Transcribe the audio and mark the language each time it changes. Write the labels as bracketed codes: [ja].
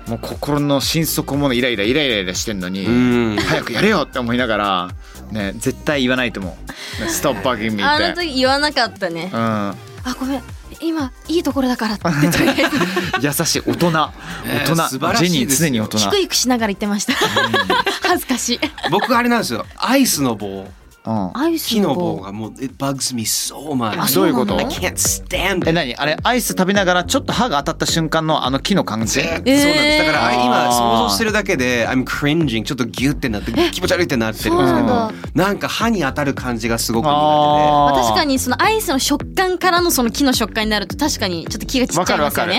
[ja] もう心の心底ものイライラしてんのに、早くやれよって思いながらね、絶対言わないと思う。ストップバッキングって。あの時言わなかったね。うん。あ、ごめん。今いいところだからって言って。優しい大人。大人。素晴らしいです。ジェニー常に大人。低い口しながら言ってました。恥ずかしい。僕あれなんですよ。アイスの棒。うん、アイスの棒、木の棒がもう [en] It bugs me so much。 [ja] どういうこと？ [en] I can't stand it。 [ja] あれアイス食べながらちょっと歯が当たった瞬間のあの木の感じ、そうなんです。だから今想像してるだけで [en] I'm cringing、 [ja] ちょっとギュってなって気持ち悪いってなってるんですけど、なんか歯に当たる感じがすごく苦手で、確かにそのアイスの食感からのその木の食感になると確かにちょっと気がちっちゃいですよね。